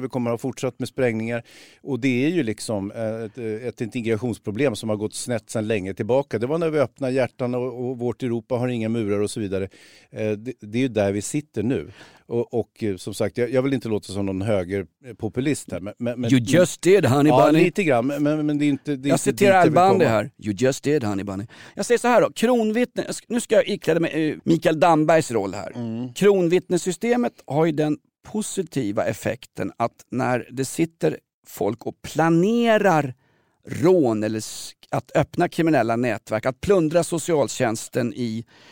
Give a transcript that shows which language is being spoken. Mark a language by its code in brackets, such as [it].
[sv] Vi kommer att ha fortsatt med sprängningar. Och det är ju liksom ett integrationsproblem som har gått snett sedan länge tillbaka. Det var när vi öppnade hjärtan och vårt Europa har inga murar och så vidare. Det är ju där vi sitter nu. Och som sagt, jag vill inte låta som någon högerpopulist här. Men, [en] you just did, honey bunny. [sv] Ja, lite grann. Men det är inte, det är jag inte citerar Albandi här. [en] You just did, honey bunny. [sv] Jag säger så här då. Kronvittne, nu ska jag ikläda mig Mikael Dambergs roll här. Mm. Kronvittnesystemet har ju den positiva effekten att när det sitter folk och planerar rån eller att öppna kriminella nätverk, att plundra socialtjänsten i